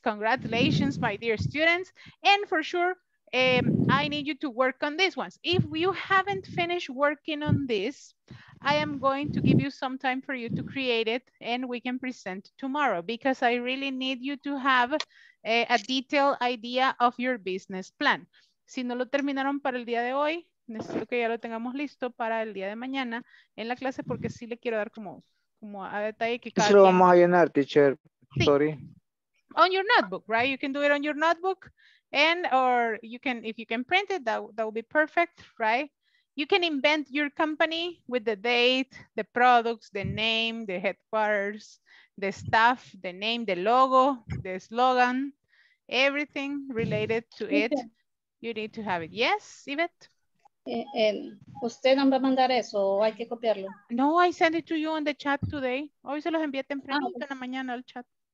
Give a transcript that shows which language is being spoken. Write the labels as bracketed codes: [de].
[en] Congratulations, my dear students. And for sure, I need you to work on these ones. If you haven't finished working on this, I am going to give you some time for you to create it and we can present tomorrow because I really need you to have a detailed idea of your business plan. [es] Si no lo terminaron para el día de hoy, necesito que ya lo tengamos listo para el día de mañana en la clase porque sí le quiero dar como a detalle que cada día... vamos a llenar, teacher. Sorry. [en] Sí. On your notebook, right? You can do it on your notebook and or you can, if you can print it, that would be perfect, right? You can invent your company with the date, the products, the name, the headquarters, the staff, the name, the logo, the slogan, everything related to it. You need to have it. Yes, Yvette? [es] ¿Usted no me va a mandar eso o hay que copiarlo? [en] No, I sent it to you on the chat today. [es] Hoy se los envié temprano en la mañana al chat.